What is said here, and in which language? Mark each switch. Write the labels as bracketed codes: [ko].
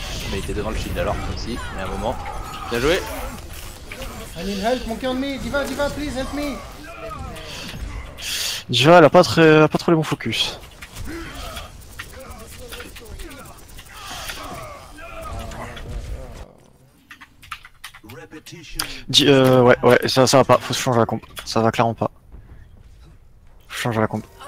[fr] Mais il était devant le shield alors, comme si, mais un moment. Bien joué. [en] I need help, monkey on me, divin, divin, please help me. [fr] Diva elle a pas très, elle a pas trop les bons focus. Ouais, ça va pas, faut se changer la comp. Ça va clairement pas. Faut changer la comp.